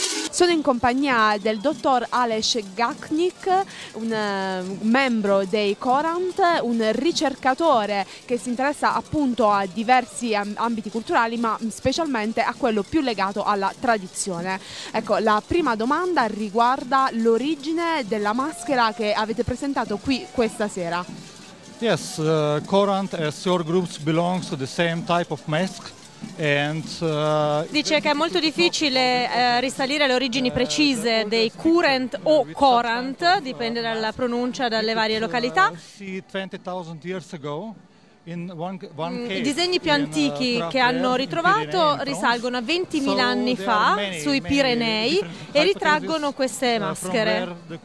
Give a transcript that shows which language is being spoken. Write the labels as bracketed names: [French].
[Italian] Sono in compagnia del dottor Aleš Gaknik, un membro dei Korant, un ricercatore che si interessa appunto a diversi ambiti culturali, ma specialmente a quello più legato alla tradizione. Ecco, la prima domanda riguarda l'origine della maschera che avete presentato qui questa sera. [English] Yes, Korant, as your group belongs to the same type of mask. [Italian] Dice che è molto difficile risalire alle origini precise dei Korant o Korant, dipende dalla pronuncia, dalle varie località. I disegni più antichi che hanno ritrovato risalgono a 20.000 anni fa sui Pirenei e ritraggono queste maschere.